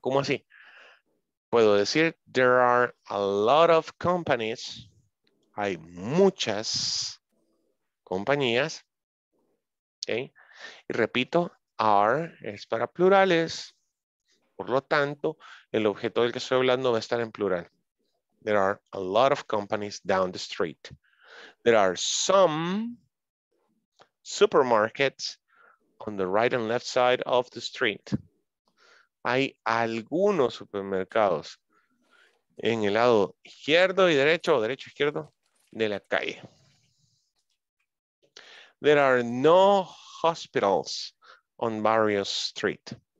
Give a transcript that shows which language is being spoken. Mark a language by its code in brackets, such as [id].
[es] ¿Cómo así? Puedo decir, [en] there are a lot of companies. [es] Hay muchas compañías Okay. Y repito, are es para plurales. Por lo tanto, el objeto del que estoy hablando va a estar en plural. [en] There are a lot of companies down the street. There are some supermarkets on the right and left side of the street. [es] Hay algunos supermercados en el lado izquierdo y derecho, o derecho izquierdo, de la calle. [en] There are no hospitals on Barrios Street.